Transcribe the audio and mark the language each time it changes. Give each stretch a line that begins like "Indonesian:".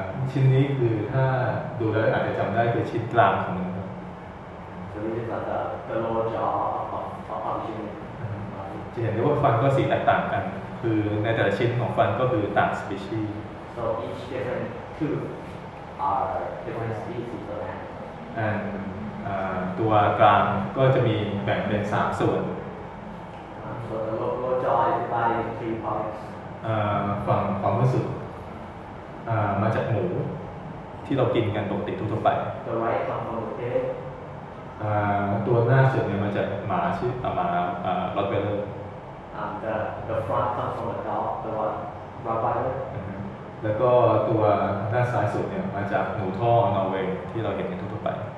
Thai: ชิ้นนี้คือถ้าดูแล้วอาจจะจำได้คือชิ้นกลางของมันครับ
English: So this is like the lower jaw of the human.
Thai: จะเห็นได้ว่าฟันก็สีแตกต่างกันคือในแต่ละชิ้นของฟันก็คือต่าง species.
English: So each different tooth are different species of animal.
Thai: Andตัวกลางก็จะมีแบ่งเป็น3ส่วน ส่วนโลจอยไปใน3 parts ฝั่งความรู้สึกมาจากหมูที่เรากินกันปกติทั่วไป
English: the right from the head
Thai: ตัวหน้าส่วนเนี่ยมาจากหมาชื่อหมาล็อตเวลเลอร์
English: the front from the dog the one rottweiler
Thai: แล้วก็ตัวหน้าซ้ายสุดเนี่ยมาจากหนูท่อนอร์เวย์ที่เราเห็นกันทั่วไป